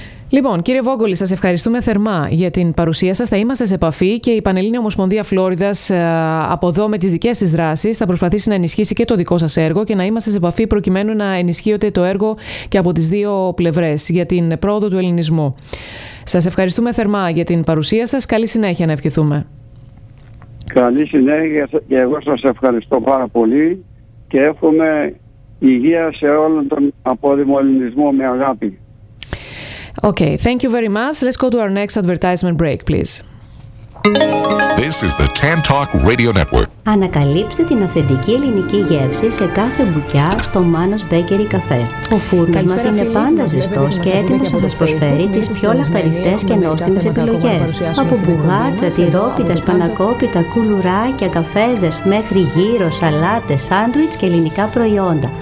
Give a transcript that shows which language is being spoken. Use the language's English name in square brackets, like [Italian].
[Greek] Λοιπόν, κύριε Βόγκολη, σας ευχαριστούμε θερμά για την παρουσία σας. Θα είμαστε σε επαφή και η Πανελλήνια Ομοσπονδία Φλόριδας από εδώ με τις δικές της δράσεις θα προσπαθήσει να ενισχύσει και το δικό σας έργο και να είμαστε σε επαφή προκειμένου να ενισχύεται το έργο και από τις δύο πλευρές για την πρόοδο του ελληνισμού. Σας ευχαριστούμε θερμά για την παρουσία σας. Καλή συνέχεια να ευχηθούμε. Καλή συνέχεια και εγώ σας ευχαριστώ πάρα πολύ και εύχομαι υγεία σε όλον τον απόδημο ελληνισμό με αγάπη. [English] Okay, thank you very much. Let's go to our next advertisement break, please. This is the Tantalk Radio Network. [Greek] Ανακαλύψτε την αυθεντική ελληνική γεύση σε κάθε μπουκιά στο Manos Bakery Cafe. Ο φούρνος μας είναι πάντα ζεστός και έτοιμος να σας προσφέρει τις πιο λαχταριστές και νόστιμες επιλογές. Από μπουγάτσα, τυρόπιτες, πανακόπιτα, κουλουράκια, καφέδες, μέχρι γύρω, σαλάτες, σάντουιτς και ελληνικά προϊόντα.